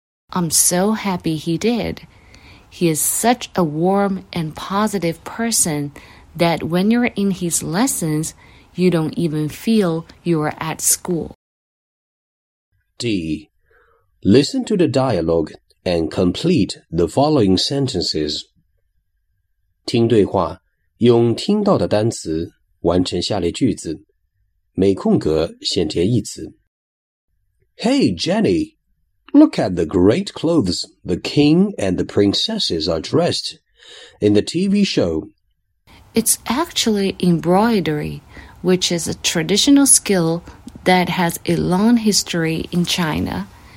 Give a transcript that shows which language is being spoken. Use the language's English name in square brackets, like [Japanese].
[English] I'm so happy he did. He is such a warm and positive person that when you're in his lessons, you don't even feel you're at school. D. Listen to the dialogue and complete the following sentences. [Chinese] 听对话，用听到的单词完成下列句子，每空格先填一词。 [English] Hey, Jenny, look at the great clothes the king and the princesses are dressed in the TV show. It's actually embroidery, which is a traditional skill that has a long history in China.